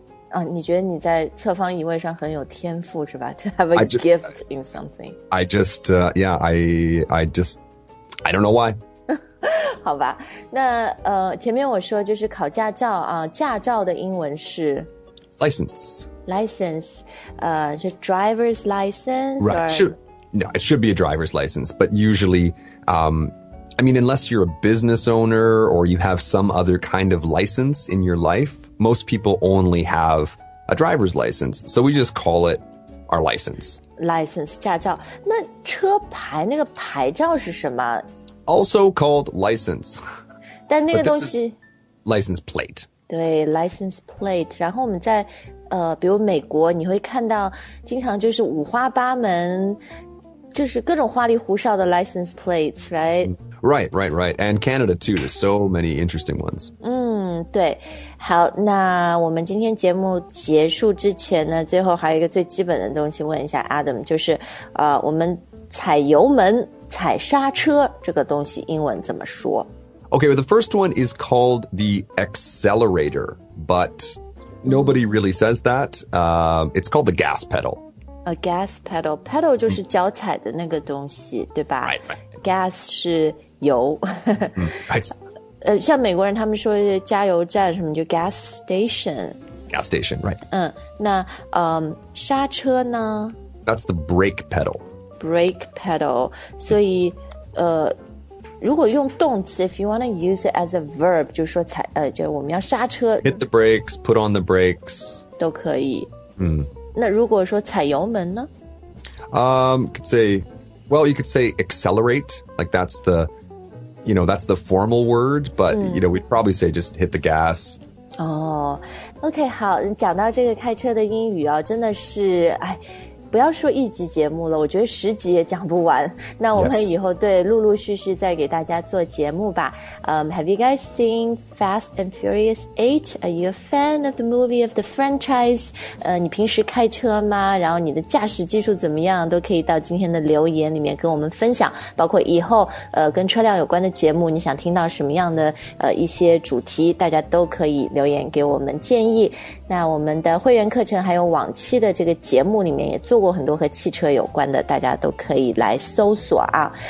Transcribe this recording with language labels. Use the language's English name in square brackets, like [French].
[Chinese] 啊，你觉得你在侧方移位上很有天赋是吧 ？ [English] To have a gift in something. I don't know why. [Chinese] 好吧，那前面我说就是考驾照啊，驾照的英文是 [English] license. License, 就 driver's license. Right. Or... No, it should be a driver's license, but usually, I mean, unless you're a business owner or you have some other kind of license in your life, most people only have a driver's license. So we just call it our license. [Chinese] License, 驾照。那车牌那个牌照是什么？ [English] Also called license. [Chinese] 但那个东西 [English] License plate. 对 license plate. [Chinese] 然后我们在比如美国你会看到经常就是五花八门就是各种花里胡哨的 license plates, [English] right? Right, right, right. And Canada too. There's so many interesting ones. [Chinese] 嗯，对。好，那我们今天节目结束之前呢，最后还有一个最基本的东西问一下 Adam, 就是我们踩油门、踩刹车这个东西英文怎么说？ [English] Okay, well, the first one is called the accelerator, but nobody really says that. It's called the gas pedal. A gas pedal. [Chinese] Pedal 就是脚踩的那个东西、mm. 对吧 [English] right, right. [Chinese] Gas 是油。像美国人他们说加油站什么就 gas station. [English] Gas station, right. [Chinese] 那刹车呢 [English] That's the brake pedal. Brake pedal. [Chinese] 所以如果用动词 [English] if you want to use it as a verb, [Chinese] 就说踩就我们要刹车。 [English] Hit the brakes, put on the brakes. [Chinese] 都可以。嗯、mm. 那如果说踩油门呢 [English] could say, well, you could say accelerate, like that's the, you know, that's the formal word, but,、mm. you know, we'd probably say just hit the gas. Oh, okay, [Chinese] 好讲到这个开车的英语啊真的是哎不要说一集节目了我觉得十集也讲不完那我们以后、 [English] yes. [Chinese] 对陆陆续续再给大家做节目吧、 [English] Have you guys seen Fast and Furious 8? Are you a fan of the movie of the franchise? [Chinese] 你平时开车吗然后你的驾驶技术怎么样都可以到今天的留言里面跟我们分享包括以后跟车辆有关的节目你想听到什么样的一些主题大家都可以留言给我们建议那我们的会员课程还有往期的这个节目里面也做过很多和汽车有关的大家都可以来搜索啊